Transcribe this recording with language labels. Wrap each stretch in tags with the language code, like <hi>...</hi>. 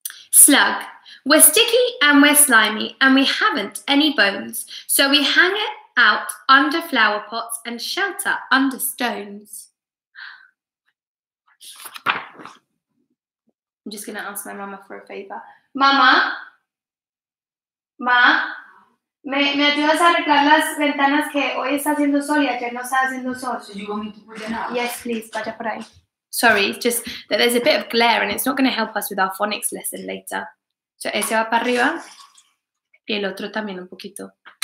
<en>Slug, we're sticky and we're slimy and we haven't any bones, so we hang it out under flower pots and shelter under stones. I'm just gonna ask my mama for a favor.</en> <es>Mama, ma, me ayudas a arreglar las ventanas que hoy está haciendo sol y ayer no está haciendo sol.</es> <en>So you want me to put them out? Yes, please.</en> <es>Vaya por ahí.</es> <en>Sorry, it's just that there's a bit of glare and it's not gonna help us with our phonics lesson later.</en> <es>So ese va para arriba y el otro también un poquito.</es>